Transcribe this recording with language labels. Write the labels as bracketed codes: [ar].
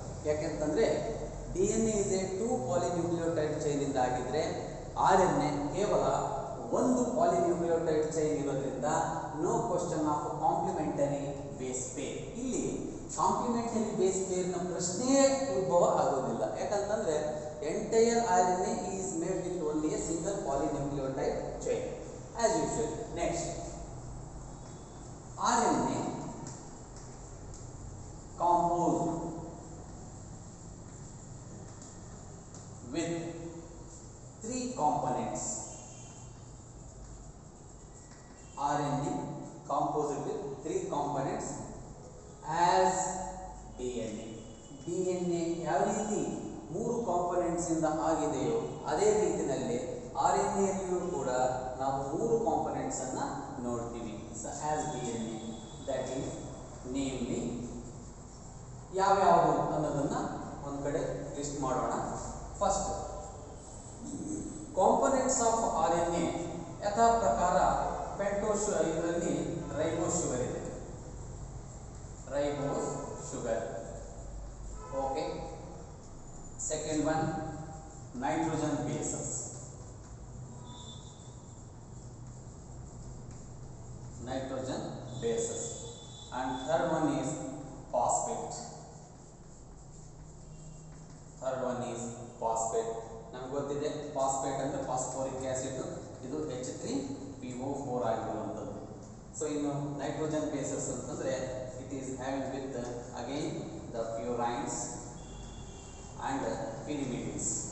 [en] ಯಾಕೆಂತಂದ್ರೆ DNA is a two polynucleotide chain [kn] ಇಂದ ಆಗಿದ್ರೆ ಆರ್ಎನ್ಎ ಕೇವಲ ಒಂದು [en] Polynucleotide chain ಇರೋದ್ರಿಂದ no question of complementary base pair. [kn] ಇಲ್ಲಿ ಕಾಂಪ್ಲಿಮೆಂಟರಿ ಬೇಸ್ ಪೇರ್ನ ಪ್ರಶ್ನೆಯೇ ಉದ್ಭವ ಆಗೋದಿಲ್ಲ. ಯಾಕಂತಂದ್ರೆ [en] Entire RNA is made with only A single ಪಾಲಿನ್ಯೂಕ್ಲಿಯೋಟೈಡ್ chain. As usual, next, RNA composed with three components. RNA composed with three components as DNA. [kn] DNA ಯಾವ ರೀತಿ ಮೂರು components ಇಂದ ಆಗಿದೆಯೋ ಅದೇ ರೀತಿಯಲ್ಲಿ RNA ಅಲ್ಲಿಯೂ ಕೂಡ ನಾವು ಮೂರು ಕಾಂಪೊನೆಂಟ್ಸ್ ಅನ್ನ ನೋಡ್ತೀವಿ. [en] as DNA, that is namely [kn] ಯಾವ್ಯಾವ ಅನ್ನೋದನ್ನ ಒಂದ್ ಕಡೆ ಲಿಸ್ಟ್ ಮಾಡೋಣ. [en] first components of RNA [kn] ಯಥಾ ಪ್ರಕಾರ ಪೆಂಟೋಸ್, ಇದರಲ್ಲಿ ರೈಬೋಸ್ ಶುಗರ್ ಇದೆ. [en] Ribose sugar, okay. Second one nitrogen bases. Nitrogen bases and third one is phosphate. Third one is phosphate. [kn] ನಮಗೆ ಗೊತ್ತಿದೆ ಫಾಸ್ಫೇಟ್ ಅಂದ್ರೆ ಫಾಸ್ಫೋರಿಕ್ ಆಸಿಡ್, ಇದು H3PO4 ಆಗಿರುವಂತದ್ದು. ಸೊ ಇನ್ನು [en] Nitrogen bases ಅಂತಂದ್ರೆ it is having with again the purines and pyrimidines.